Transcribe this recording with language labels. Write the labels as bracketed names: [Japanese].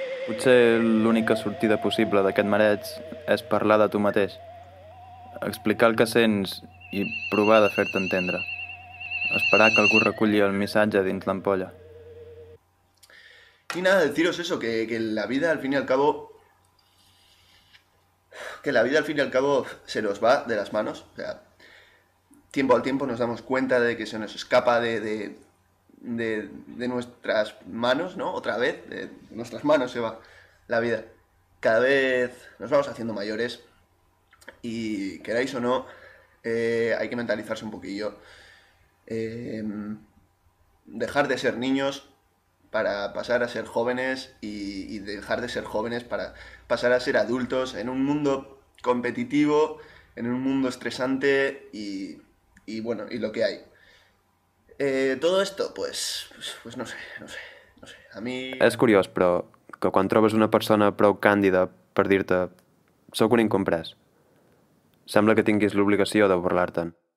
[Catalan] Potser l'única sortida possible d'aquest mareig és parlar de tu mateix, explicar el que sents i provar de fer-te entendre. Esperar que algú reculli el missatge dins l'ampolla. [Spanish] Y nada, deciros eso, que la vida al fin y al cabo... Que la vida al fin y al cabo se nos va de las manos. O sea, tiempo al tiempo nos damos cuenta de que se nos escapa de nuestras manos, ¿no? Otra vez, de nuestras manos se va la vida. Cada vez nos vamos haciendo mayores. Y queráis o no, hay que mentalizarse un poquillo. Dejar de ser niños para pasar a ser jóvenes y dejar de ser jóvenes para pasar a ser adultos en un mundo competitivo, en un mundo estresante y bueno, y lo que hay. Todo esto, pues no sé. A mí... [Catalan] És curiós, però, que quan trobes una persona prou càndida per dir-te «soc un incomprès», sembla que tinguis l'obligació de burlar-te'n.